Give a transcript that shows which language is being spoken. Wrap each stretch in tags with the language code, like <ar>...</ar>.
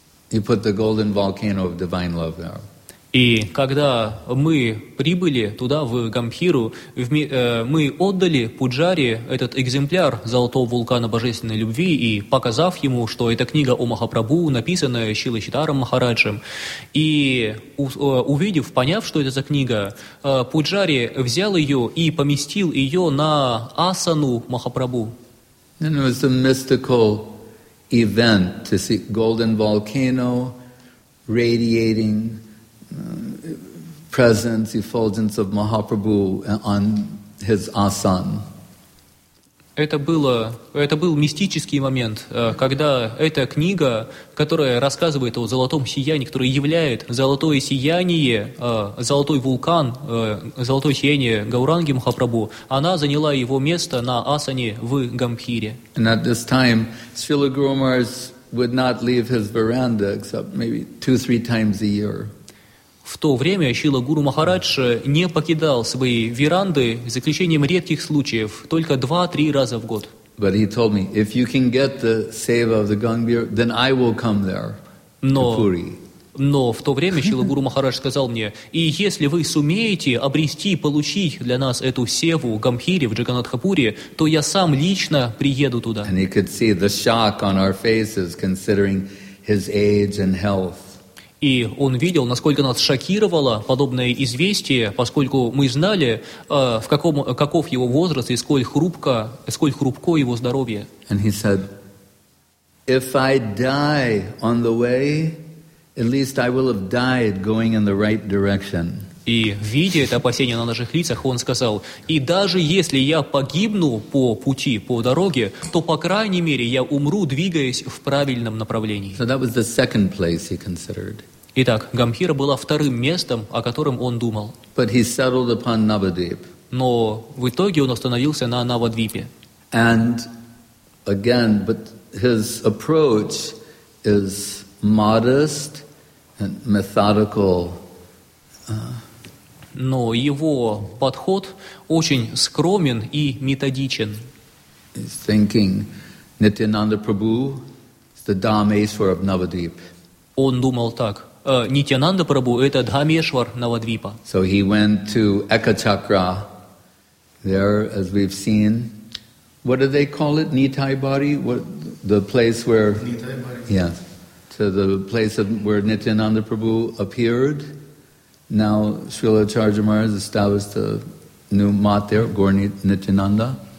<en>He put the Golden Volcano of Divine Love there.</en> <ru>И когда мы прибыли туда, в Гамбхиру, мы отдали Пуджари этот экземпляр «Золотого вулкана божественной любви», и показав ему, что это книга о Махапрабху, написанная Шрила Сидхартха Махараджем, и увидев, поняв, что это за книга, Пуджари взял ее и поместил ее на асану Махапрабху. И это был мистический</ru> <en>event,</en> <ru>увидеть</ru> <en>«Golden Volcano» radiating presence, effulgence of Mahaprabhu on his asan.</en> <ru>Это был мистический момент, когда эта книга, которая рассказывает о золотом сиянии, которая является золотое сияние, золотой вулкан, золотое сияние Гауранги Махапрабху, она заняла его место на асане в Гамбхире.</ru> <en>And at this time, Srila Guru Maharaj would not leave his veranda except maybe 2-3 times a year.</en> <ru>В то время Шрила Гуру Махарадж не покидал свои веранды, за исключением редких случаев, только 2-3 раза в год.</ru> <en>But he told me, if you can get the seva of the Gambhir, then I will come there, to Puri.</en> <ru>Но в то время Шрила Гуру Махарадж сказал мне, и если вы сумеете обрести, получить для нас эту севу в Гамбхире, в Джаганнатхапуре, то я сам лично приеду туда.</ru> <en>And he could see the shock on our faces, considering his age and health.</en> <ru>И он видел, насколько нас шокировало подобное известие, поскольку мы знали, каков его возраст и сколь хрупко его здоровье.</ru> <en>And he said, if I die on the way, at least I will have died going in the right direction.</en> <ru>И видя это опасение на наших лицах, он сказал, и даже если я погибну по пути, по дороге, то, по крайней мере, я умру, двигаясь в правильном направлении.</ru> <en>So that was the second place he considered.</en> <ru>Итак, Гамбхира была вторым местом, о котором он думал.</ru> <en>But he settled upon Navadvip.</en> <ru>Но в итоге он остановился на Навадвипе.</ru> <en>And again, but his approach is modest and methodical.</en> <ru>Но его подход очень скромен и методичен.</ru> <en>He's thinking Nityananda Prabhu is the Dhameshwar of Navadvip.</en> <ru>Он думал так. Нитьянанда Прабху – это Дхамешвар Навадвипа.</ru> <en>So he went to Ekachakra. There, as we've seen, what do they call it? Nitai Bari? What, the place where... Nitai Bari. Yes. To the place of, where Nityananda Prabhu appeared. Now Srila Charjamar has established a new mat there, Gaur Nityananda.</en>